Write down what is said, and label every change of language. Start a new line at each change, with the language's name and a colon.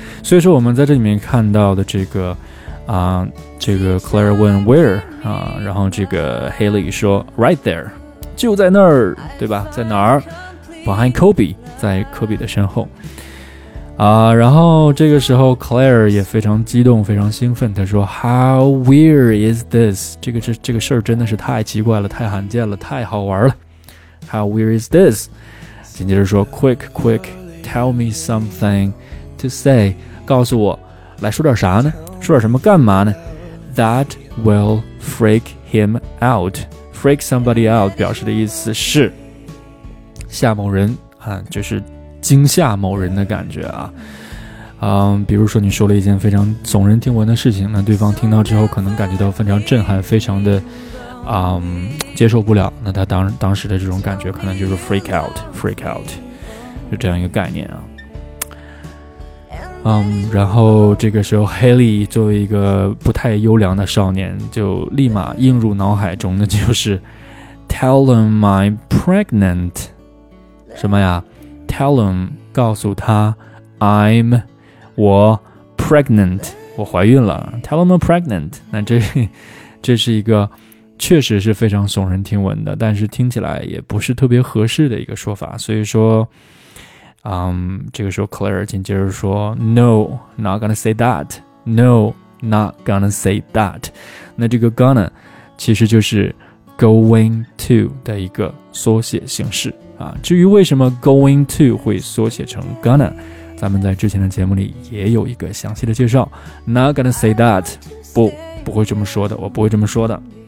Chinese: 所以说我们在这里面看到的这个这个 Claire 问
English: where
Chinese: 啊，然后这个 Haley 说
English: right there，
Chinese: 就在那儿，对吧？在哪儿？
English: behind Kobe，
Chinese: 在科比的身后啊。然后这个时候 Claire 也非常激动，非常兴奋，她说
English: how weird is this，
Chinese: 这个事儿真的是太奇怪了，太罕见了，太好玩了。
English: how weird is this，
Chinese: 紧接着说
English: quick tell me something to say，
Chinese: 告诉我来说点啥呢，说点什么干嘛呢。
English: That will freak him out， freak somebody out
Chinese: 表示的意思是吓某人啊，就是惊吓某人的感觉啊。比如说你说了一件非常耸人听闻的事情，那对方听到之后可能感觉到非常震撼，非常的接受不了，那他当时的这种感觉可能就是 freak out， 就这样一个概念啊。然后这个时候 Haley 作为一个不太优良的少年，就立马映入脑海中的就是
English: Tell him I'm pregnant，
Chinese: 什么呀？
English: Tell him，
Chinese: 告诉他 I'm 我 pregnant， 我怀孕了。
English: Tell him I'm pregnant，
Chinese: 那这是一个确实是非常耸人听闻的，但是听起来也不是特别合适的一个说法。所以说这个时候 Claire 紧接着说
English: No not gonna say that， No not gonna say that。
Chinese: 那这个 gonna 其实就是 going to 的一个缩写形式啊。至于为什么 going to 会缩写成 gonna， 咱们在之前的节目里也有一个详细的介绍。
English: Not gonna say that，
Chinese: 我不会这么说的。